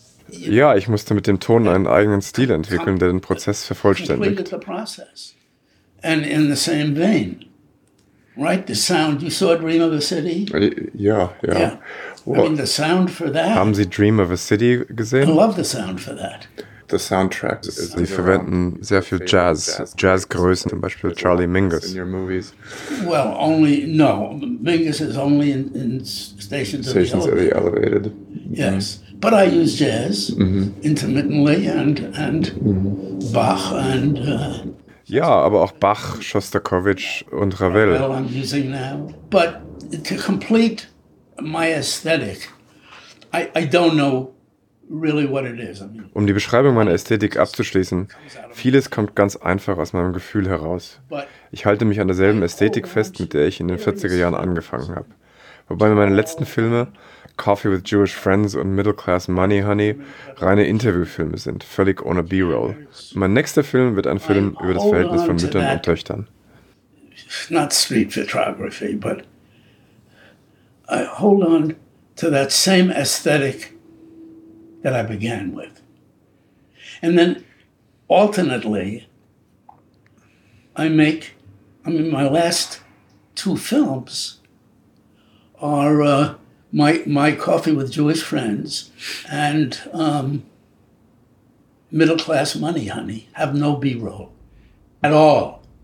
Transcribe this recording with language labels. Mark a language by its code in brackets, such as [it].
[de] Ja, ich musste mit dem Ton einen eigenen Stil entwickeln, der den Prozess vervollständigt. [en] Completed the process, and in the same vein, right? The sound you saw, Dream of a City. Yeah. Well, I mean, the sound for that. [de] Haben Sie Dream of a City gesehen? [en] I love the sound for that. The soundtrack. [de] Sie verwenden sehr viel Jazz-Größen, zum Beispiel Charlie Mingus. [en] In your movies. Well, only, no. Mingus is only in Stations of the Elevated. Yes. Mm-hmm. But I use jazz intermittently and Bach and. [de] Ja, aber auch Bach, Shostakovich und Ravel. [en] Well, I'm using now. But to complete my aesthetic, I don't know really what it is. [de] Um die Beschreibung meiner Ästhetik abzuschließen, vieles kommt ganz einfach aus meinem Gefühl heraus. Ich halte mich an derselben Ästhetik fest, mit der ich in den 40er Jahren angefangen habe. Wobei mir meine letzten Filme, Coffee with Jewish Friends und Middle Class Money Honey, reine Interviewfilme sind, völlig ohne B-Roll. Mein nächster Film wird ein Film über das Verhältnis von Müttern und Töchtern. [en] Not street photography, but I hold on to that same aesthetic that I began with. And then alternately, my last two films are my Coffee with Jewish Friends and Middle Class Money Honey have no B-roll at all.